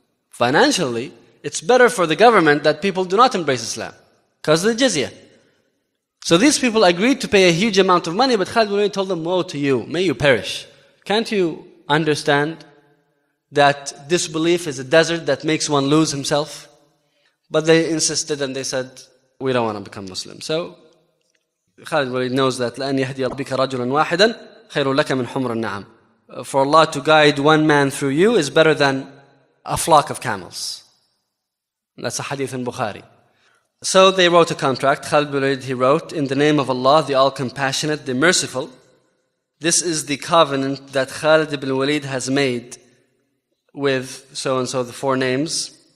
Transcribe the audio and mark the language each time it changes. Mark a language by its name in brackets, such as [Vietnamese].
[English] Financially, it's better for the government that people do not embrace Islam, because of the jizya. So these people agreed to pay a huge amount of money, but Khalid Walid told them, woe to you, may you perish. Can't you understand that disbelief is a desert that makes one lose himself? But they insisted and they said, we don't want to become Muslim. So Khalid Walid knows that, [Arabic] لَأَنْ يَهْدِيَ رَبِّكَ رَجُلًا وَاحِدًا خَيْرٌ لَكَ مِنْ حُمْرٍ نَعَمْ. [English] For Allah to guide one man through you is better than a flock of camels. That's a hadith in Bukhari. So they wrote a contract. Khalid bin Walid, he wrote, in the name of Allah, the All-Compassionate, the Merciful, this is the covenant that Khalid bin Walid has made with so-and-so, the four names.